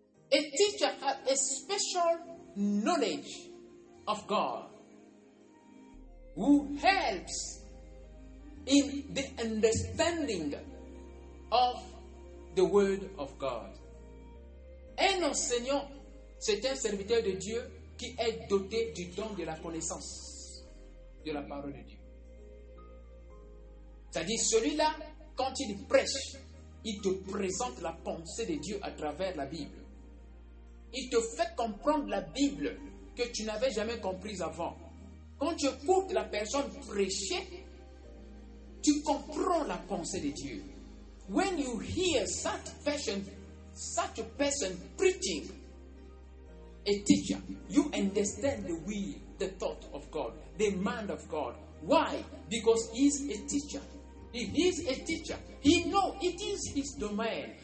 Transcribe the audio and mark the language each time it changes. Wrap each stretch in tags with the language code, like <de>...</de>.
<en>A teacher has a special knowledge of God who helps in the understanding of the word of God.</en> <fr>Un enseignant, c'est un serviteur de Dieu qui est doté du don de la connaissance de la parole de Dieu. C'est-à-dire, celui-là, quand il prêche, il te présente la pensée de Dieu à travers la Bible. Il te fait comprendre la Bible que tu n'avais jamais comprise avant. Quand tu écoutes la personne prêcher, tu comprends la pensée de Dieu.</fr> <en>When you hear such a person preaching, a teacher, you understand the will, the thought of God, the mind of God. Why? Because he's a teacher. He is a teacher. He knows it is his domain.</en>